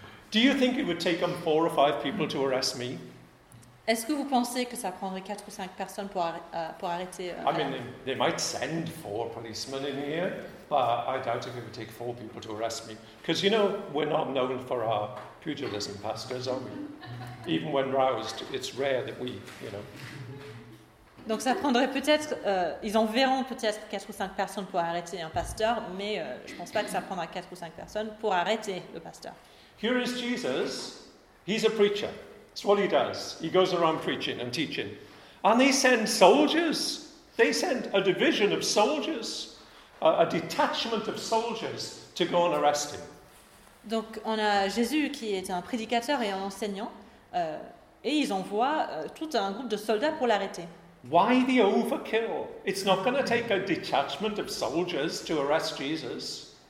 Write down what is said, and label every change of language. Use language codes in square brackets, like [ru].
[en] Do you think it would take them 4 or 5 people to arrest me? [fr] Est-ce que vous pensez que ça prendrait 4 ou 5 personnes pour arrêter [en] I mean, they might send 4 policemen in here, but I doubt if it would take 4 people to arrest me. Because, you know, we're not known for our pugilism, pastors, are we? Even when roused, it's rare that we, you know. [fr] Donc ça prendrait peut-être, ils enverront peut-être 4 ou 5 personnes pour arrêter un pasteur, mais je ne pense pas que ça prendra 4 ou 5 personnes pour arrêter le pasteur. [en] Here is Jesus, he's a preacher. That's what he does. He goes around preaching and teaching. And they send soldiers. They send a division of soldiers, a detachment of soldiers to go and arrest him. [fr] Donc on a Jésus qui est un prédicateur et un enseignant, et ils envoient tout un groupe de soldats pour l'arrêter. [en] Why the overkill? It's not going to take a detachment of soldiers to arrest Jesus.